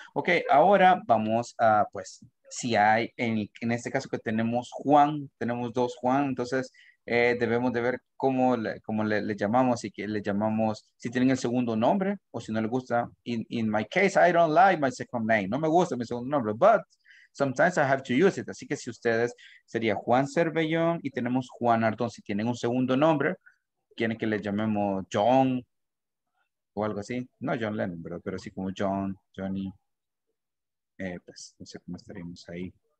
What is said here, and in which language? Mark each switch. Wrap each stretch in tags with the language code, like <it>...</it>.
<es>Okay, ahora vamos a, pues, si hay, en este caso que tenemos Juan, tenemos dos Juan, entonces... debemos de ver cómo le llamamos y que le llamamos si tienen el segundo nombre o si no le gusta.</es> <en>In my case, I don't like my second name.</en> <es>No me gusta mi segundo nombre,</es> <en>but sometimes I have to use it.</en> <es>Así que si ustedes sería Juan Cervellón y tenemos Juan Ardón. Si tienen un segundo nombre, quieren que le llamemos John o algo así. No John Lennon, ¿verdad? Pero sí como John, Johnny. Pues no sé cómo estaríamos ahí.</es>